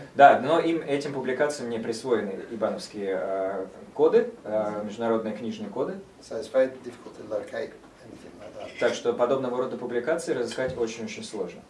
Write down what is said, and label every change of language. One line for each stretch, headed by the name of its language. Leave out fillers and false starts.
Russian: Да, но им этим публикациям не присвоены ибановские коды, международные книжные коды.
English: So it's very difficult to locate anything like that.
Russian: Так что подобного рода публикации разыскать очень-очень сложно.